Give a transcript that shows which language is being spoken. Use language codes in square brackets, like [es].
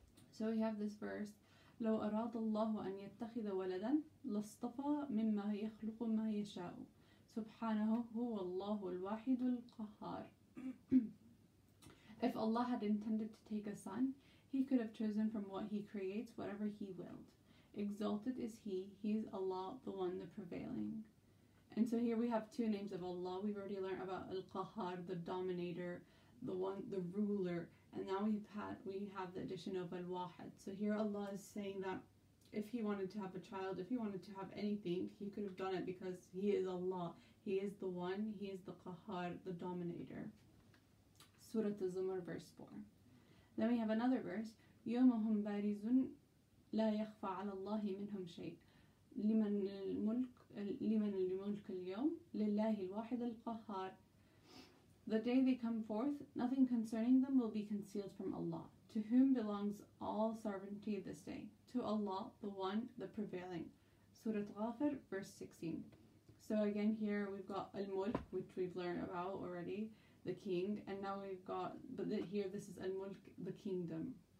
[en] So we have this verse, [ar] لو أراد الله أن يتخذ ولدا لاصطفى مما يخلق ما يشاء سبحانه هو الله الواحد القهار. [en] If Allah had intended to take a son, He could have chosen from what He creates whatever He willed. Exalted is He, He is Allah, the One, the Prevailing. And so here we have two names of Allah. We've already learned about Al-Qahar, the Dominator, the One, the Ruler. And now we have the addition of Al-Wahid. So here Allah is saying that if He wanted to have a child, if He wanted to have anything, He could have done it because He is Allah. He is the One, He is the Qahar, the Dominator. Surah Az-Zumar, verse 4. Then we have another verse. [ar] يَوْمَهُمْ بَارِزٌ لا يخفى على الله منهم شيء لمن الملك اليوم لله الواحد القهار. [en] The day they come forth, nothing concerning them will be concealed from Allah. To whom belongs all sovereignty this day? To Allah, the One, the Prevailing. Surah Ghafir, verse 16. So again, here we've got al-mulk, which we've learned about already, the king, and now we've got, this is al-mulk, the kingdom.